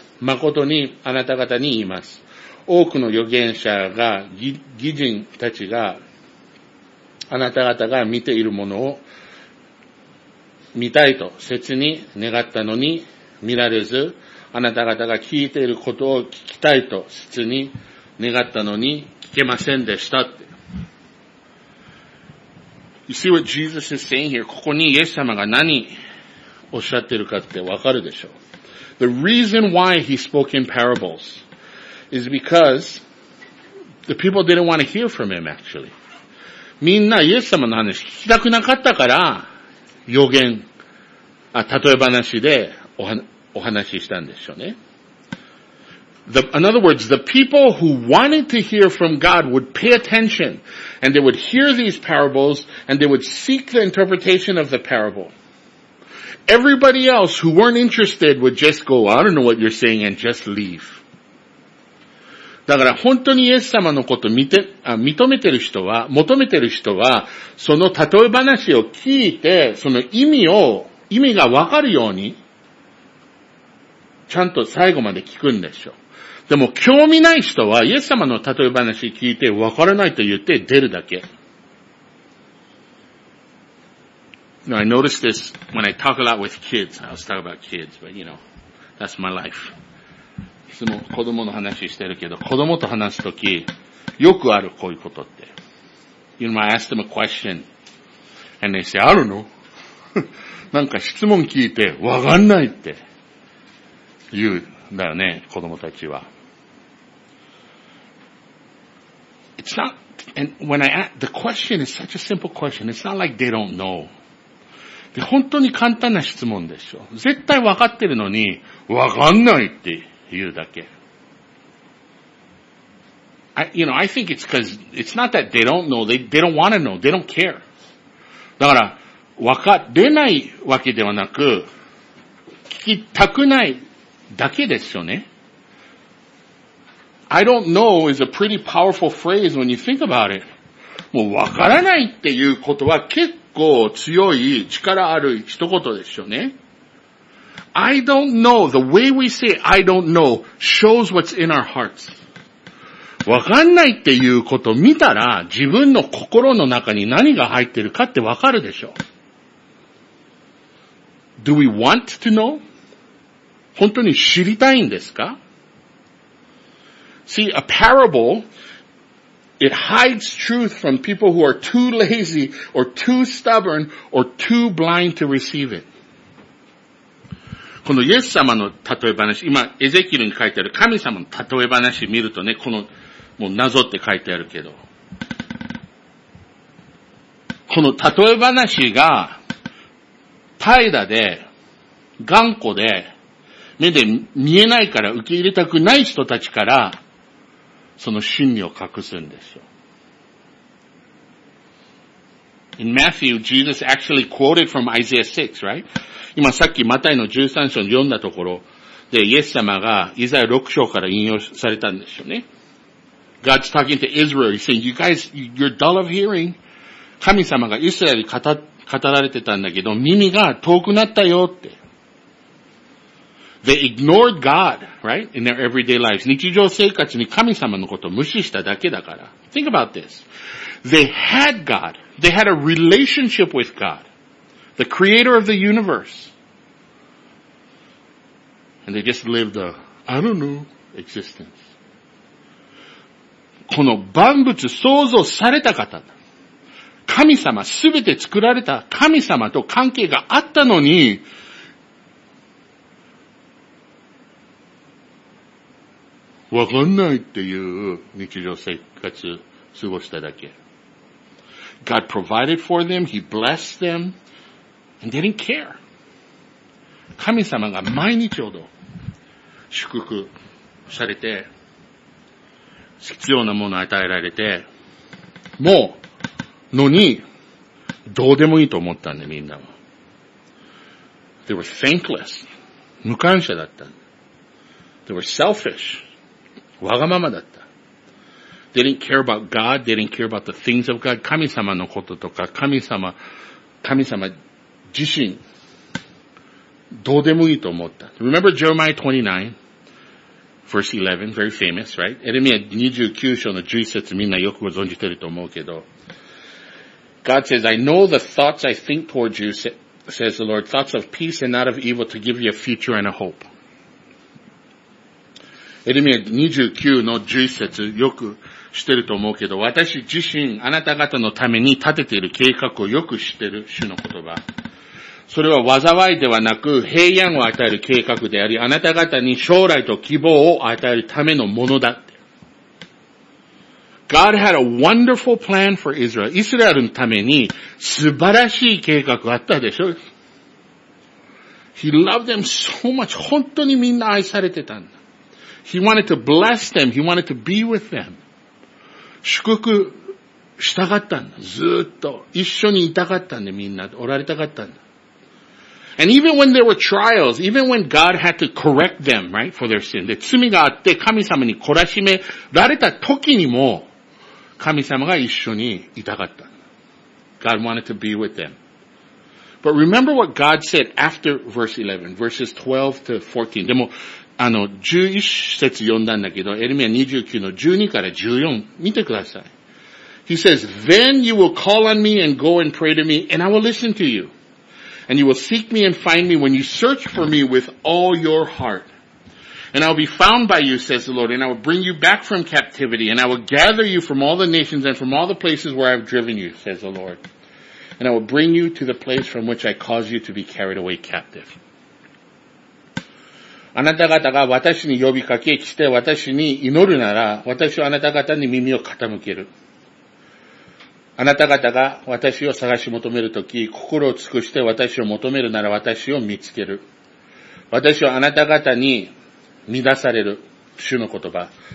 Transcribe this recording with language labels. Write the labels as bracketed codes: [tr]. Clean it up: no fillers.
[ja] 誠にあなた方に言います。多くの預言者が、義人たちが、あなた方が見ているものを見たいと切に願ったのに見られず、あなた方が聞いていることを聞きたいと切に願ったのに聞けませんでしたって。 [en] You see what Jesus is saying here? [ja] ここにイエス様が何おっしゃってるかってわかるでしょう。 [en] The reason why he spoke in parables is because the people didn't want to hear from him actually. [ja] みんなイエス様の話聞きたくなかったから予言、例え話でお話ししたんでしょうね。 [en] In other words, the people who wanted to hear from God would pay attention and they would hear these parables and they would seek the interpretation of the parable. Everybody else who weren't interested would just go, I don't know what you're saying, and just leave. [ja] だから本当にイエス様のこと求めてる人は、その例え話を聞いて、その意味がわかるように、ちゃんと最後まで聞くんでしょう。でも興味ない人は、イエス様の例え話聞いて、わからないと言って出るだけ。 [en] Now, I noticed this when I talk a lot with kids. I was talking about kids, but you know, that's my life. [ja] いつも子供の話してるけど、子供と話すとき、よくあるこういうことって。 [en] You know, I ask them a question, and they say, I don't know. [ja] なんか質問聞いて、わかんないって言うんだよね、子供たちは。 [en] It's not, and when I ask, the question is such a simple question. It's not like they don't know. [ja] 本当に簡単な質問でしょ。絶対分かってるのに、分かんないって言うだけ。 [en] I think it's because, it's not that they don't know, they don't want to know, they don't care. [ja] だから、分かれないわけではなく、聞きたくないだけですよね。 [en] I don't know is a pretty powerful phrase when you think about it. [ja] もう分からないっていうことは結構強い力ある一言でしょうね。 [en] I don't know. The way we say I don't know shows what's in our hearts. [ja] わかんないっていうこと見たら自分の心の中に何が入ってるかってわかるでしょう。 [en] Do we want to know? [ja] 本当に知りたいんですか? [en] See, a parable... It hides truth from people who are too lazy or too stubborn or too blind to receive it. [ja] このイエス様の例え話、今エゼキルに書いてある神様の例え話見るとね、このもう謎って書いてあるけど、この例え話が怠惰で頑固で目で見えないから受け入れたくない人たちから。その真理を隠すんですよ。 [en] In Matthew, Jesus actually quoted from Isaiah 6, right? [ja] 今さっきマタイの13章を読んだところで、イエス様がイザヤ6章から引用されたんですよね。 [en] God's talking to Israel. He's saying, you guys, you're dull of hearing. [ja] 神様がイスラエルに語られてたんだけど、耳が遠くなったよって。 [en] They ignored God, right, in their everyday lives. [ja] 日常生活に神様のことを無視しただけだから。 [en] Think about this. They had God. They had a relationship with God. The creator of the universe. And they just lived a, I don't know, existence. [ja] この万物創造された方、神様、すべて作られた神様と関係があったのに、わかんないっていう日常生活過ごしただけ。 [en] God provided for them, He blessed them, and they didn't care. [ja] 神様が毎日ほど祝福されて、必要なものを与えられて、もう、のに、どうでもいいと思ったんで、みんなも。 [en] They were thankless. [ja] 無感謝だった。 [en] They were selfish. [ja] わがままだった。 [en] They didn't care about God. They didn't care about the things of God. [ja] 神様のこととか、神様自身、どうでもいいと思った。 [en] Remember Jeremiah 29, verse 11, very famous, right? [ja] エレミア29章の11節みんなよくご存じてると思うけど。 [en] God says, I know the thoughts I think towards you, says the Lord, thoughts of peace and not of evil to give you a future and a hope. [ja] エレミア29の11節よく知ってると思うけど、私自身あなた方のために立てている計画をよく知ってる主の言葉。それは災いではなく平安を与える計画であり、あなた方に将来と希望を与えるためのものだ。 [en] God had a wonderful plan for Israel. [ja] イスラエルのために素晴らしい計画あったでしょ。 [en] He loved them so much. [ja] 本当にみんな愛されてたんだ。 [en] He wanted to bless them. He wanted to be with them. [ja] 祝福したかったんだ。ずっと一緒にいたかったんだ。みんなおられたかったんだ。 [en] And even when there were trials, even when God had to correct them, right, for their sin, [ja] 罪があって神様に懲らしめられた時にも神様が一緒にいたかった。 [en] God wanted to be with them. But remember what God said after verse 11, verses 12 to 14. [ja] でも、11節読んだんだけど、エレミア29の12から14、見てください。 [en] He says, Then you will call on me and go and pray to me, and I will listen to you. And you will seek me and find me when you search for me with all your heart. And I will be found by you, says the Lord, and I will bring you back from captivity, and I will gather you from all the nations and from all the places where I have driven you, says the Lord. And I will bring you to the place from which I caused you to be carried away captive. [ja] あなた方が私に呼びかけ、来て私に祈るなら、私はあなた方に耳を傾ける。あなた方が私を探し求めるとき、心を尽くして私を求めるなら私を見つける。私はあなた方に乱される主の言葉。